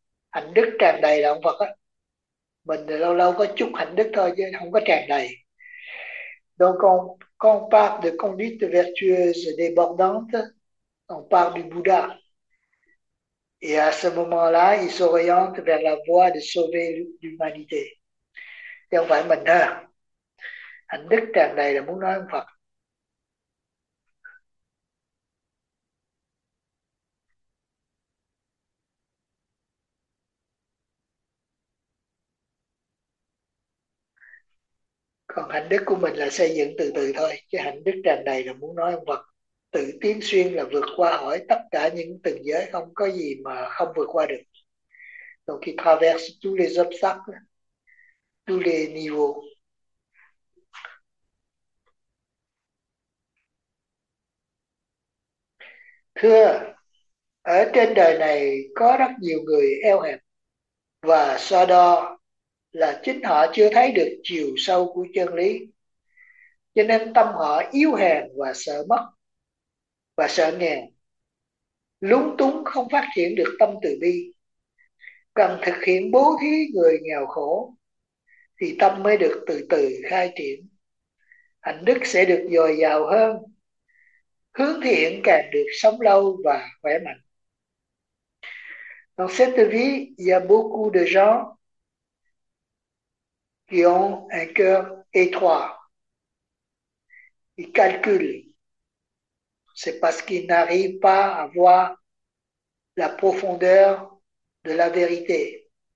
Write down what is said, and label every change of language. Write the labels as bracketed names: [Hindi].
[Vietnamese] Hành đức tràn đầy là không Phật á, mình lâu lâu có chút hạnh đức thôi chứ không có tràn đầy. [French] Donc quand on parle de conduite vertueuse débordante, on parle du Bouddha. Et à ce moment-là, il s'oriente vers la voie de sauver l'humanité. [Vietnamese] Chứ không phải mình ha. Hạnh đức tràn đầy là muốn nói không Phật. Còn hạnh đức của mình là xây dựng từ từ thôi, chứ hạnh đức tràn đầy là muốn nói ông Phật tự tiến xuyên là vượt qua hỏi tất cả những từng giới, không có gì mà không vượt qua được. [French] Donc il traverse tous les obstacles, tous les niveaux. [Vietnamese] Thưa, ở trên đời này có rất nhiều người eo hẹp và so đo là chính họ chưa thấy được chiều sâu của chân lý, cho nên tâm họ yếu hèn và sợ mất và sợ nghèo, lúng túng không phát triển được tâm từ bi. Cần thực hiện bố thí người nghèo khổ thì tâm mới được từ từ khai triển, hạnh đức sẽ được dồi dào hơn, hướng thiện càng được sống lâu và khỏe mạnh. [French] Dans cette vie, il y a beaucoup de gens qui ont un cœur étroit. Ils calculent. C'est parce qu'ils n'arrivent pas à voir la profondeur de la vérité.